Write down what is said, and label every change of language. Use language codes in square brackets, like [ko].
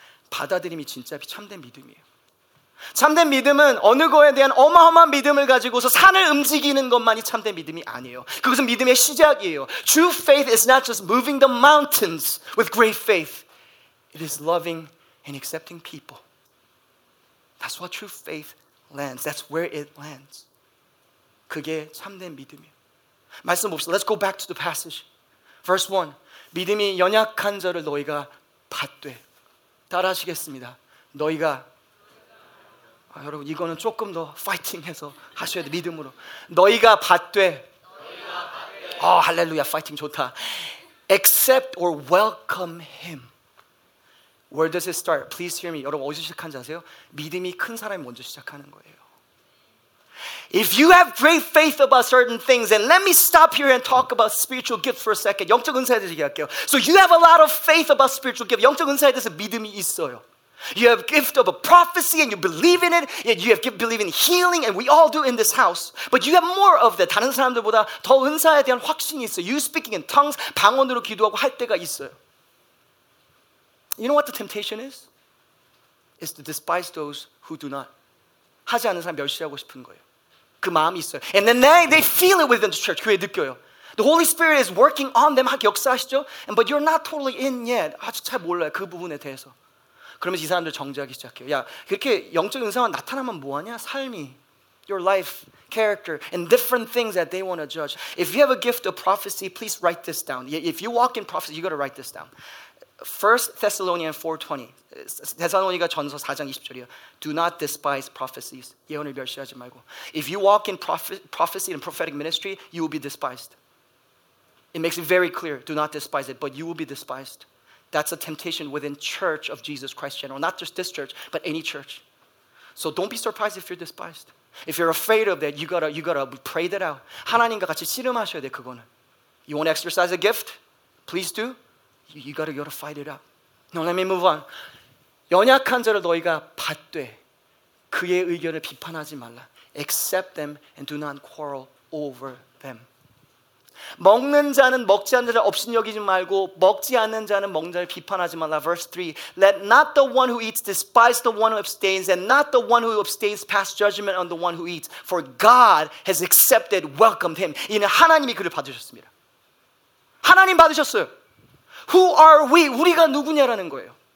[ko] 받아들임이 진짜 참된 믿음이에요. 참된 믿음은 어느 거에 대한 어마어마한 믿음을 가지고서 산을 움직이는 것만이 참된 믿음이 아니에요. 그것은 믿음의 시작이에요. [en] True faith is not just moving the mountains with great faith. It is loving and accepting people. That's what true faith lands. That's where it lands. [ko] 그게 참된 믿음이에요. 말씀 봅시다. [en] Let's go back to the passage. Verse 1. [ko] 믿음이 연약한 자를 너희가 받되. 따라하시겠습니다. 너희가 아, 여러분 이거는 조금 더 파이팅해서 하셔야 돼. 믿음으로 너희가 받되 어 할렐루야 파이팅 좋다. [en] Accept or welcome him. Where does it start? Please hear me. [ko] 여러분 어디서 시작하는지 아세요? 믿음이 큰 사람이 먼저 시작하는 거예요. [en] If you have great faith about certain things, and let me stop here and talk about spiritual gifts for a second. [ko] 영적 은사에 대해서 얘기할게요. [en] So you have a lot of faith about spiritual gifts. [ko] 영적 은사에 대해서 믿음이 있어요. [en] You have gift of a prophecy and you believe in it. And you have gift believe in healing, and we all do in this house. But you have more of that. [ko] 다른 사람들보다 더 은사에 대한 확신이 있어요. [en] You speaking in tongues, [ko] 방언으로 기도하고 할 때가 있어요. [en] You know what the temptation is? It's to despise those who do not. [ko] 하지 않는 사람 멸시하고 싶은 거예요. 그 마음이 있어요. [en] And then they feel it within the church. [ko] 교회 느껴요. [en] The Holy Spirit is working on them. [ko] 막 역사하시죠? [en] And, but you're not totally in yet. [ko] 아주 잘 몰라요. 그 부분에 대해서. 그러면서 이 사람들 정죄하기 시작해요. 야, 그렇게 영적 은사만 나타나면 뭐하냐? 삶이. [en] Your life, character, and different things that they want to judge. If you have a gift of prophecy, please write this down. If you walk in prophecy, you got to write this down. 1 Thessalonians 4:20. [ko] 데살로니가 전서 4장 20절이요. [en] Do not despise prophecies. [ko] 예언을 멸시하지 말고. [en] If you walk in prophecy and prophetic ministry, you will be despised. It makes it very clear. Do not despise it, but you will be despised. That's a temptation within church of Jesus Christ general. Not just this church, but any church. So don't be surprised if you're despised. If you're afraid of that, you gotta pray that out. [ko] 하나님과 같이 씨름하셔야 돼, 그거는. [en] You want to exercise a gift? Please do. You gotta fight it out. No, let me move on. [ko] 연약한 자를 너희가 받되 그의 의견을 비판하지 말라. [en] Accept them and do not quarrel over them. [ko] 먹는 자는 먹지 않는 자를 업신여기지 말고 먹지 않는 자는 먹는 자를 비판하지 말라. [en] Verse 3. Let not the one who eats despise the one who abstains and not the one who abstains pass judgment on the one who eats. For God has accepted, welcomed him. [ko] 이는 하나님이 그를 받으셨습니다. 하나님 받으셨어요. [en] Who are we? [ko] 우리가 누구냐라는 거예요.